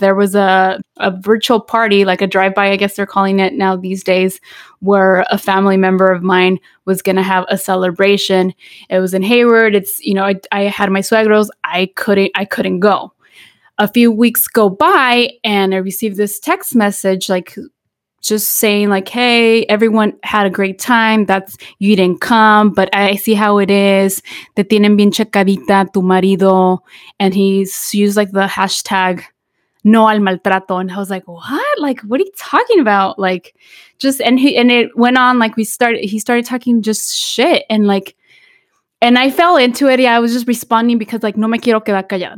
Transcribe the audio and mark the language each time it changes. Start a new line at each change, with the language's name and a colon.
English: There was a virtual party, like a drive-by, I guess they're calling it now these days, where a family member of mine was going to have a celebration. It was in Hayward. It's, you know, I had my suegros. I couldn't go. A few weeks go by and I received this text message, like, just saying like, hey, everyone had a great time. That's, you didn't come, but I see how it is.
Spanish: Te tienen bien checadita tu marido.
English: And he's used like the hashtag
Spanish: no al maltrato.
English: And I was like, what? Like, what are you talking about? Like, just, and it went on, like he started talking just shit. And like, and I fell into it. Yeah, I was just responding because like,
Spanish: no me quiero quedar callada.